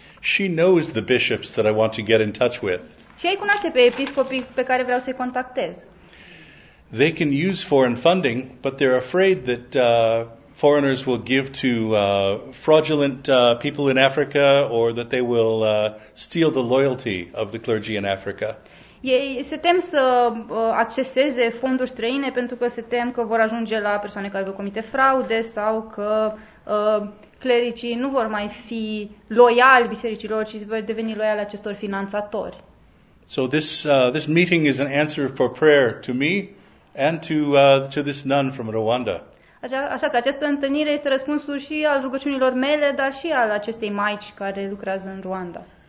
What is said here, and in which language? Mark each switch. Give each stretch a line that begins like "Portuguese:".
English: She knows the bishops that I want to get in touch with.
Romanian: Și ei cunoaște pe episcopii pe care vreau să-i contactez.
English: They can use foreign funding, but they're afraid that foreigners will give to fraudulent people in Africa, or that they will steal the loyalty of the clergy in Africa.
Romanian: Ei se tem să acceseze fonduri străine pentru că se tem că vor ajunge la persoane care vor comite fraude sau că clericii nu vor mai fi loiali bisericilor, ci vor deveni loiali acestor finanțatori.
English: So this meeting is an answer for prayer to me and to this nun from Rwanda.
Romanian: Așa că această întâlnire este răspunsul și al rugăciunilor mele, dar și al acestei maici care lucrează în Rwanda.